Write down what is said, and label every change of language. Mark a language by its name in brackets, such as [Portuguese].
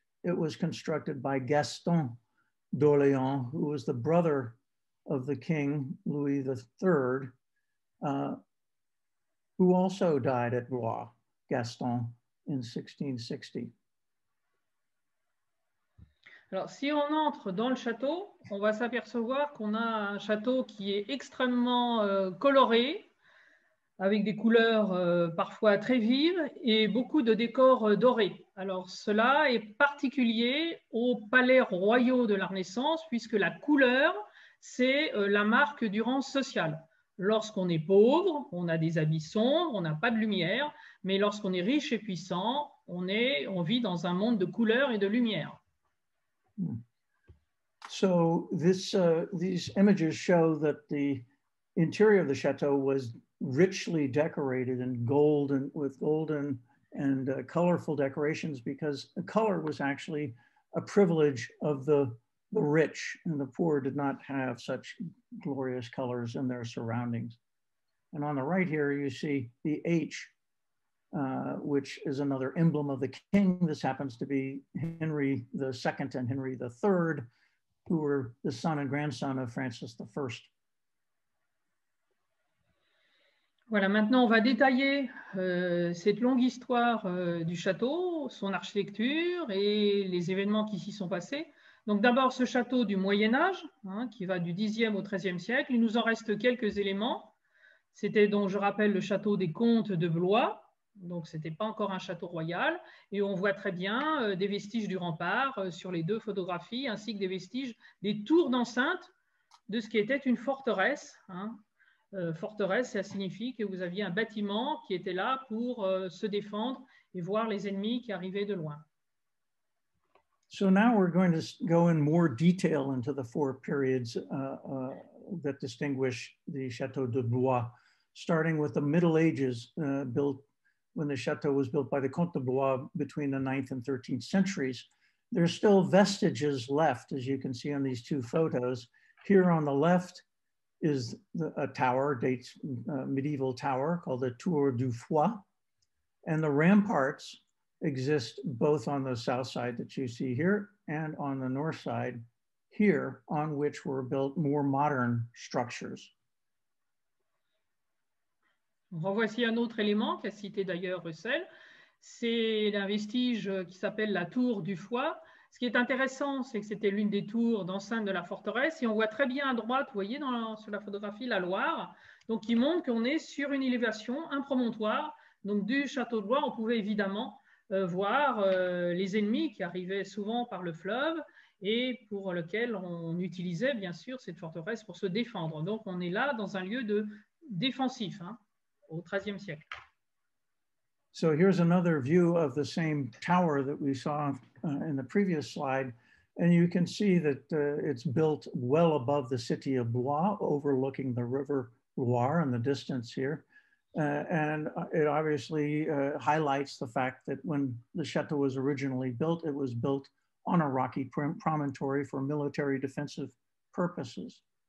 [English] It was constructed by Gaston d'Orléans, who was the brother of the king, Louis III, who also died at Blois, Gaston, in 1660. [French] Alors, si on entre dans le château, on va s'apercevoir qu'on a un château qui est extrêmement coloré, avec des couleurs parfois très vives et beaucoup de décors dorés. Alors, cela est particulier aux palais royaux de la Renaissance, puisque la couleur, c'est la marque du rang social. Lorsqu'on est pauvre, on a des habits sombres, on n'a pas de lumière, mais lorsqu'on est riche et puissant, on vit dans un monde de couleurs et de lumière. [English] So this these images show that the interior of the chateau was richly decorated in gold and with golden and colorful decorations, because the color was actually a privilege of the rich, and the poor did not have such glorious colors in their surroundings. And on the right here, you see the H, which is another emblem of the king. This happens to be Henry II and Henry III, who were the son and grandson of Francis I. [French] Voilà, maintenant on va détailler cette longue histoire du château, son architecture et les événements qui s'y sont passés. Donc d'abord ce château du Moyen Âge, hein, qui va du 10e au 13e siècle. Il nous en reste quelques éléments. C'était donc, je rappelle, le château des comtes de Blois. Donc ce n'était pas encore un château royal. Et on voit très bien des vestiges du rempart sur les deux photographies, ainsi que des vestiges des tours d'enceinte de ce qui était une forteresse. Hein. Forteresse, ça signifie que vous aviez un bâtiment qui était là pour se défendre et voir les ennemis qui arrivaient de loin. [English] So now we're going to go in more detail into the four periods that distinguish the Château de Blois, starting with the Middle Ages, built when the château was built by the Comte de Blois between the 9th and 13th centuries. There are still vestiges left, as you can see on these two photos. Here on the left is a tower, dates medieval tower called the Tour du Foy, and the ramparts exist both on the south side that you see here and on the north side here, on which were built more modern structures. [French] Revoici un autre élément qu'a cité d'ailleurs Russell. C'est un vestige qui s'appelle la Tour du Foy. Ce qui est intéressant, c'est que c'était l'une des tours d'enceinte de la forteresse. Et on voit très bien à droite, vous voyez sur la photographie, la Loire, donc qui montre qu'on est sur une élévation, un promontoire. Donc du château de Blois, on pouvait évidemment voir les ennemis qui arrivaient souvent par le fleuve et pour lequel on utilisait bien sûr cette forteresse pour se défendre. Donc on est là dans un lieu de défensif hein, au XIIIe siècle. [English] So here's another view of the same tower that we saw in the previous slide. And you can see that it's built well above the city of Blois, overlooking the river Loire in the distance here. And it obviously highlights the fact that when the chateau was originally built, it was built on a rocky promontory for military defensive purposes.